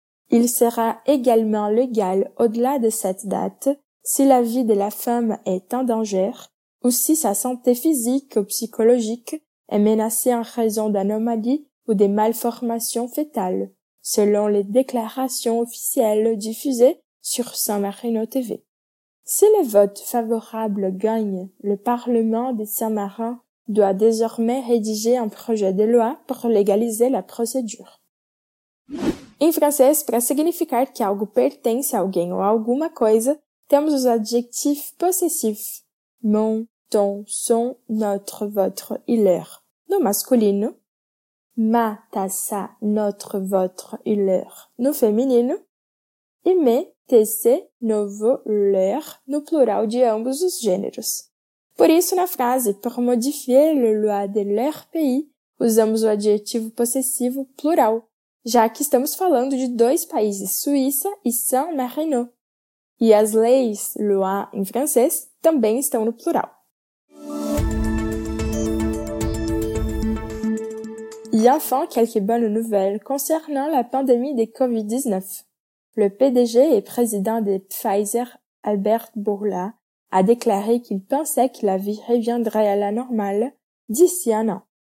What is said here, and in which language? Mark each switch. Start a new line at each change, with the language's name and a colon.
French: Il sera également légal au-delà de cette date si la vie de la femme est en danger ou si sa santé physique ou psychologique est menacée en raison d'anomalies ou des malformations fœtales, selon les déclarations officielles diffusées sur San Marino TV. Si le vote favorable gagne, le Parlement de Saint-Marin doit désormais rédiger un projet de loi pour légaliser la procédure.
Portuguese: Em francês, para significar que algo pertence a alguém ou a alguma coisa, temos os
French: adjectifs possessifs: mon, ton, son, notre, votre et leur.
Portuguese: No masculino,
French: ma, ta, sa, notre, votre et leur.
Portuguese: No feminino, e me, tece, novo, leur, no plural de ambos os gêneros. Por isso, na frase,
French: pour modifier le loi de leur pays,
Portuguese: usamos o adjetivo possessivo plural, já que estamos falando de dois países, Suíça e San Marino. E as leis, loi em francês, também estão no plural.
French: E enfin, quelques bonnes nouvelles concernant la pandémie de COVID-19. Le PDG et président de Pfizer, Albert Bourla, a déclaré qu'il pensait que la vie reviendrait à la normale d'ici un an.